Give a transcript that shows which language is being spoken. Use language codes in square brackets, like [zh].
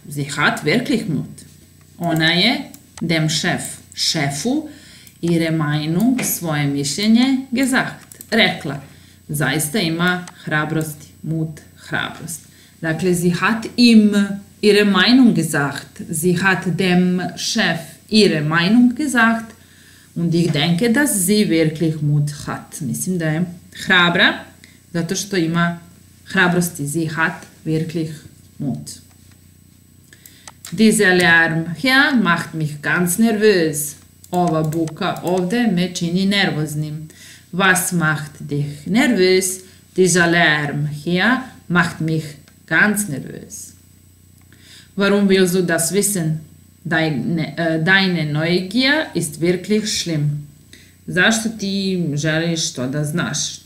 [de] Sie hat wirklich Mut. [sr] Ona je [de] dem Chef, [sr] šefu, [de] ihre Meinung, [sr] svoje mišljenje [de] gesagt. [sr] Rekla. Zaista ima hrabrost, Mut, hrabrost. [de] Dakle, sie hat ihm ihre Meinung gesagt. Sie hat dem Chef ihre Meinung gesagt. Und ich denke, dass sie wirklich Mut hat. [sr] Mislim da je hrabra, zato što ima hrabrosti. [de] Sie hat wirklich Mut. Dieser Lärm hier macht mich ganz nervös. [sr] Ova buka ovde me čini nervoznim. [de] Was macht dich nervös? Dieser Lärm hier macht mich ganz nervös. Warum willst du das wissen? Deine Neugier ist wirklich schlimm. [sr] Zašto ti želiš to da znaš?